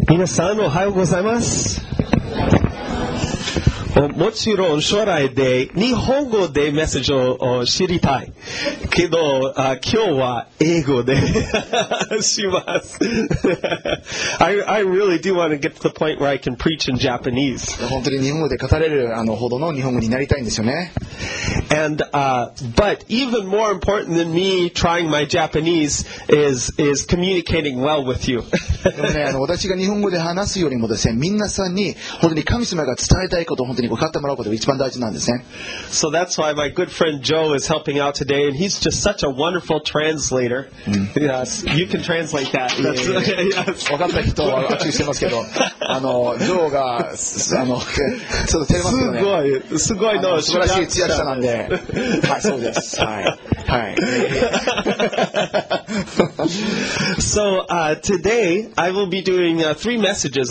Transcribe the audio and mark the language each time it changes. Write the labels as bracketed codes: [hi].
[ja] 皆さんおはようございます。もちろん将来で日本語でメッセージを知りたいけど、今日は英語でします。 [en] I really do want to get to the point where I can preach in Japanese. [ja] 本当に日本語で語れるあのほどの日本語になりたいんですよね。 [en] And, but even more important than me trying my Japanese is communicating well with you. [ja] でもね、あの、私が日本語で話すよりもですね、みんなさんに本当に神様が伝えたいことを本当に分かってもらうことが一番大事なんですね。 [en] So that's why my good friend Joe is helping out today, and he's just such a wonderful translator. Yes, you can translate that. Yes. [ja] 分かった人は拍手してますけど、あの、ジョーが、あの、ちょっと照れますけどね。すごい、すごいの、素晴らしい通訳者なんで。はい、そうです。はい。はい。 [en] So, today I will be doing three messages.